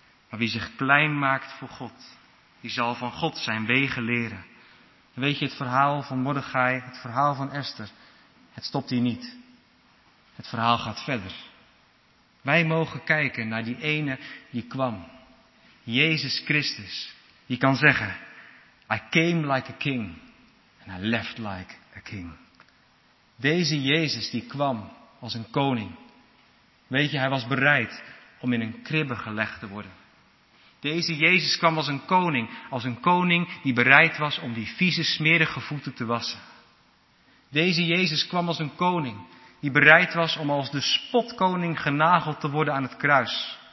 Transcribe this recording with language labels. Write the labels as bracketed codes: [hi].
[nl] Maar wie zich klein maakt voor God, die zal van God zijn wegen leren. Weet je, het verhaal van Mordechai, het verhaal van Esther, het stopt hier niet. Het verhaal gaat verder. Wij mogen kijken naar die ene die kwam. Jezus Christus. Die kan zeggen, [en] I came like a king and I left like a king. [nl] Deze Jezus die kwam als een koning. Weet je, hij was bereid om in een kribbe gelegd te worden. Deze Jezus kwam als een koning. Als een koning die bereid was om die vieze smerige voeten te wassen. Deze Jezus kwam als een koning. Die bereid was om als de spotkoning genageld te worden aan het kruis.